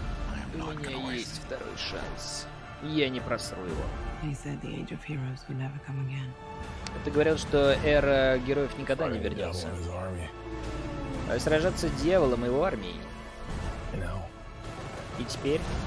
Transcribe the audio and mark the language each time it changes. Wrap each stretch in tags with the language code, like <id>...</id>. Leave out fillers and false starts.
<en>I am not going.</en> <ru>У меня есть второй шанс. Я не просру его.</ru> <en>They said the age of heroes would never come again.</en> <ru>Это говорят, что эра героев никогда не вернется. А сражаться с дьяволом и его армией. И теперь?</ru>